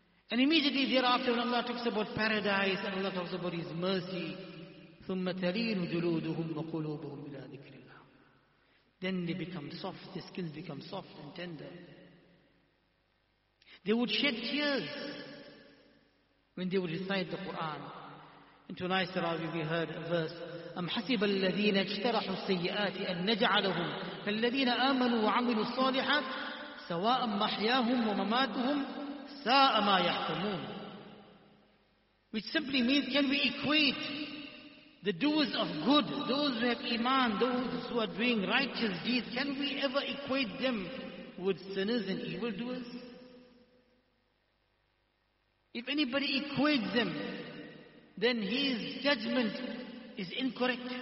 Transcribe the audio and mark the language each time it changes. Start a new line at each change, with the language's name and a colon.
English: And immediately thereafter, when Allah talks about paradise and Allah talks about His mercy,
Arabic: ثُمَّ تَلِينُ جُلُودُهُمْ وَقُلُوبُهُمْ إِلَىٰ ذِكْرِ.
English: Then they become soft, their skins become soft and tender. They would shed tears when they would recite the Quran. In tonight's Tarawih, we heard a verse,
Arabic: أَمْ حَسِبَ الَّذِينَ اجْتَرَحُوا السَّيِّئَاتِ أَنْ نَجْعَلَهُمْ فَالَّذِينَ آمَنُوا وَعَمِلُوا الصَّالِحَاتِ سَوَاءً مَحْيَاهُمْ وَمَمَاتُهُمْ سَاءَ مَا يَحْكُمُونَ.
English: Which simply means, can we equate the doers of good, those who have iman, those who are doing righteous deeds, can we ever equate them with sinners and evildoers? If anybody equates them, then his judgment is incorrect.